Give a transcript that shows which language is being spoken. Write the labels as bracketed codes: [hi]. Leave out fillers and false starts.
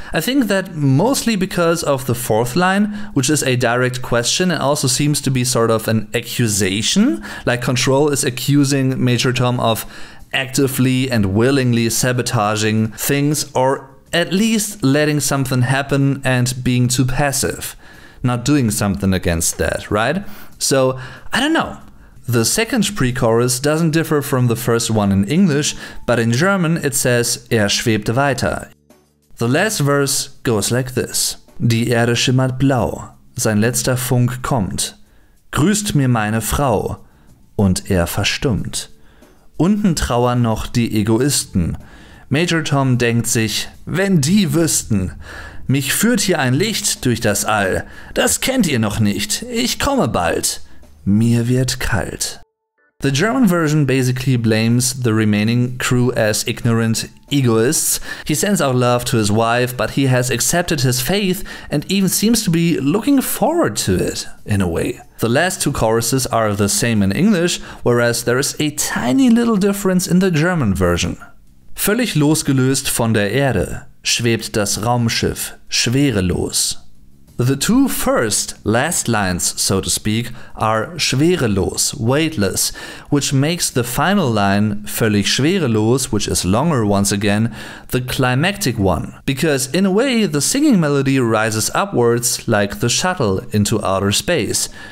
[en] I think that mostly because of the fourth line, which is a direct question and also seems to be sort of an accusation, like Control is accusing Major Tom of actively and willingly sabotaging things, or at least letting something happen and being too passive, not doing something against that, right? So, I don't know. The second pre-chorus doesn't differ from the first one in English, but in German it says [de] er schwebt weiter. [en] The last verse goes like this. [de] Die Erde schimmert blau, sein letzter Funk kommt. Grüßt mir meine Frau, und er verstummt. Unten trauern noch die Egoisten. Major Tom denkt sich, wenn die wüssten. Mich führt hier ein Licht durch das All. Das kennt ihr noch nicht. Ich komme bald. Mir wird kalt. [en] The German version basically blames the remaining crew as ignorant egoists. He sends out love to his wife, but he has accepted his faith and even seems to be looking forward to it, in a way. The last two choruses are the same in English, whereas there is a tiny little difference in the German version. [de] Völlig losgelöst von der Erde schwebt das Raumschiff schwerelos. [en] The two first, last lines, so to speak, are schwerelos, weightless, which makes the final line, [de] völlig schwerelos, [en] which is longer once again, the climactic one. Because in a way, the singing melody rises upwards like the shuttle into outer space.